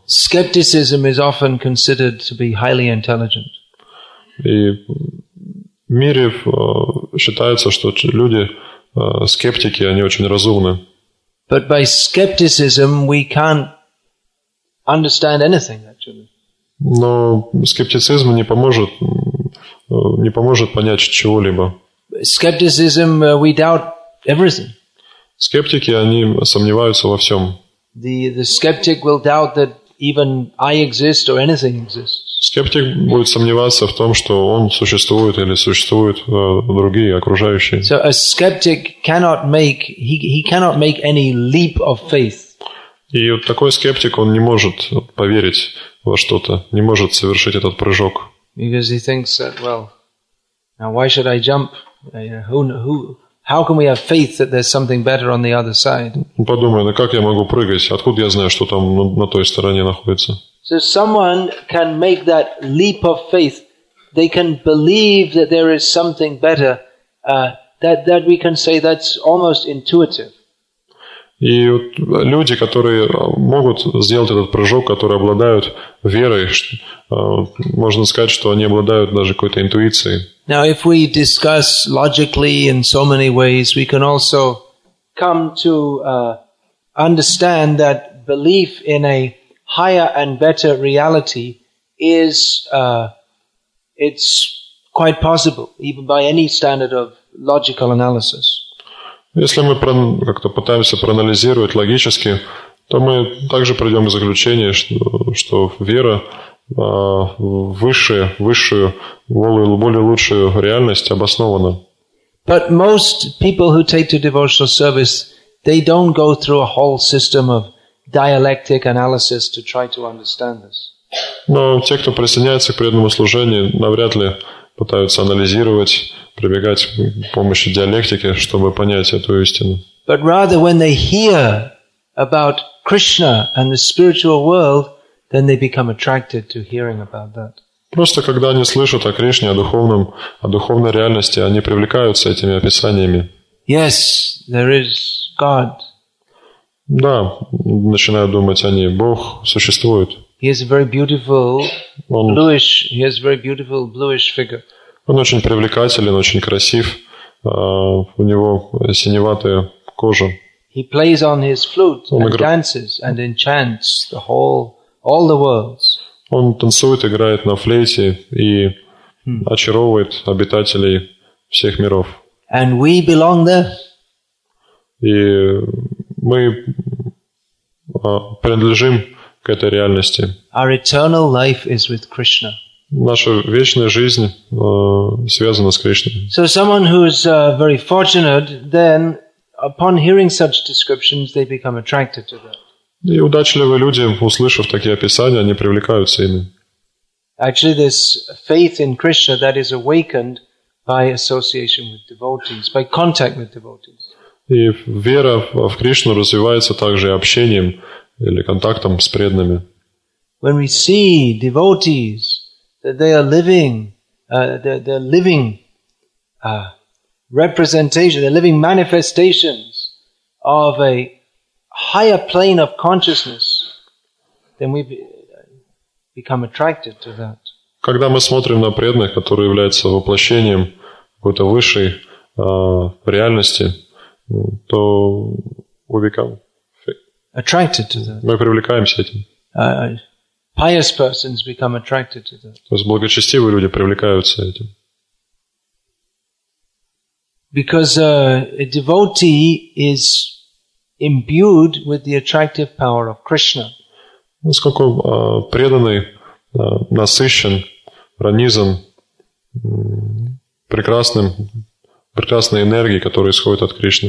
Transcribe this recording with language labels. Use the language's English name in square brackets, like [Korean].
[English] Skepticism is often considered to be highly intelligent. [Russian] И в мире считается, что люди скептики, они очень разумны. [English] But by skepticism we can't understand anything, actually. [Russian] Но скептицизм не поможет понять чего-либо. [English] Skepticism, we doubt everything. [Russian] Скептики, они сомневаются во всем. [English] The skeptic will doubt that even I exist or anything exists. [Russian] Скептик будет сомневаться в том, что он существует или существуют другие окружающие. [English] So a skeptic cannot make any leap of faith. [Russian] И вот такой скептик, он не может поверить во что-то, не может совершить этот прыжок. [English] Because he thinks that, well, now why should I jump? How can we have faith that there's something better on the other side? [Russian] Подумай, ну как я могу прыгать? Откуда я знаю, что там на той стороне находится? [English] So someone can make that leap of faith. They can believe that there is something better. That we can say that's almost intuitive. [Russian] И вот люди, которые могут сделать этот прыжок, которые обладают верой, можно сказать, что они обладают даже какой-то интуицией. [English] Now, if we discuss logically in so many ways, we can also come to understand that belief in a higher and better reality is it's quite possible, even by any standard of logical analysis. [Russian] Если мы как-то пытаемся проанализировать логически, то мы также придем к заключению, что вера более лучшую реальность обоснована. [English] But most people who take to devotional service, they don't go through a whole system of dialectic analysis to try to understand this. [Russian] Но те, кто присоединяется к преданному служению, навряд ли пытаются анализировать, прибегать к помощи диалектики, чтобы понять эту истину. [English] But rather when they hear about Krishna and the spiritual world, then they become attracted to hearing about that. [Russian] Просто когда они слышат о Кришне, о духовной реальности, они привлекаются этими описаниями. [English] Yes, there is God. [Russian] Да, начинают думать они, Бог существует. [English] He has a very beautiful bluish. He has a very beautiful bluish figure. [Russian] Он очень привлекателен, очень красив. У него синеватая кожа. [English] He plays on his flute and dances and enchants all the worlds. [Russian] Он танцует, играет на флейте и очаровывает обитателей всех миров. [English] And we belong there. [Russian] И мы принадлежим к этой реальности. [English] Our eternal life is with Krishna. [Russian] Наша вечная жизнь связана с Кришной. [English] So someone who is very fortunate, then upon hearing such descriptions, they become attracted to that. [Russian] И удачливые люди, услышав такие описания, они привлекаются ими. [English] Actually, this faith in Krishna that is awakened by association with devotees, by contact with devotees. [Russian] И вера в Кришну развивается также общением или контактом с преданными. [English] When we see devotees, that they are living, they're living manifestations of a higher plane of consciousness, then we become attracted to that. [Russian] Когда мы смотрим на преданных, которые являются воплощением какой-то высшей реальности, то мы привлекаемся этим. [English] Pious persons become attracted to that. [Russian] То есть благочестивые люди привлекаются этим. [English] Because a devotee is imbued with the attractive power of Krishna. [Russian] Насколько преданный насыщен, пронизан прекрасной энергией, которая исходит от Кришны.